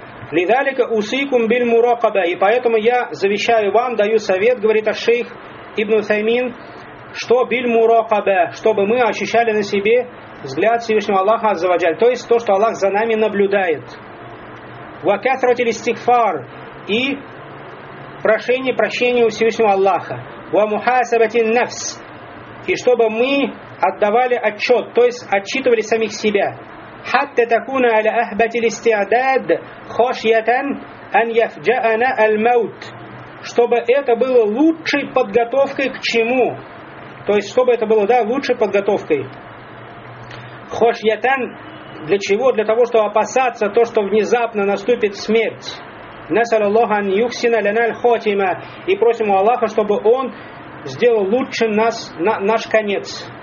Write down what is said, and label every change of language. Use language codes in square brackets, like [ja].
[ar] Лидалика усикум биль мураqaba. [ru] И поэтому я завещаю вам, даю совет, говорит аш-шейх Ибн Утаймин, что [ar] биль мураqaba, [ru] чтобы мы ощущали на себе взгляд Всевышнего Аллаха Азза ва Джаль. То есть то, что Аллах за нами наблюдает. [ar] وكثرة الاستغفار [ru] и прошение прощения у Всевышнего Аллаха. [ar] ومحاسبة النفس [ru] и чтобы мы отдавали отчет, то есть отчитывали самих себя. [ar] حتى تكون على أهبة الاستعداد خشية أن يفجأنا الموت, [ru] чтобы это было лучшей подготовкой к чему? То есть чтобы это было, да, лучшей подготовкой. [ar] خشية [ru] для чего? Для того, чтобы опасаться то, что внезапно наступит смерть. [ar] Насаллаллахан юхсина ляналь хотима. [ru] И просим у Аллаха, чтобы он сделал лучше нас, наш конец.